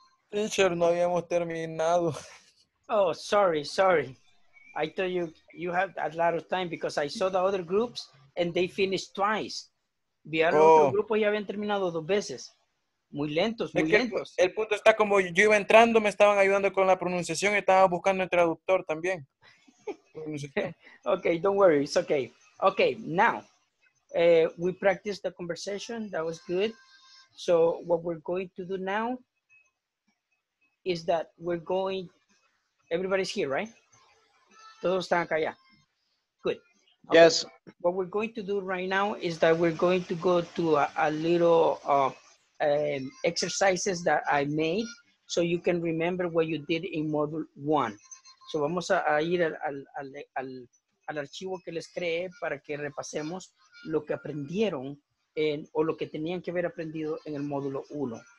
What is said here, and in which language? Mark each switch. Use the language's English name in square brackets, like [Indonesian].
[Spanish] Teacher, no habíamos terminado. [English] Oh, sorry. I told you, you have a lot of time because I saw the other groups and they finished twice. [Spanish] Vieron otro grupo y habían terminado dos veces. Muy lentos, muy lentos. El punto está como yo iba entrando, me estaban ayudando con la pronunciación y estaba buscando el traductor también. [English] Okay, don't worry, it's okay. Okay, now, we practiced the conversation, that was good. So what we're going to do now is that we're going, everybody's here, right? [Spanish] Todos están acá, [English] yeah. Good. Okay. Yes. What we're going to do right now is that we're going to go to a little exercises that I made so you can remember what you did in module one. [Spanish] So vamos a ir al archivo que les creé para que repasemos lo que aprendieron en, o lo que tenían que haber aprendido en el módulo uno.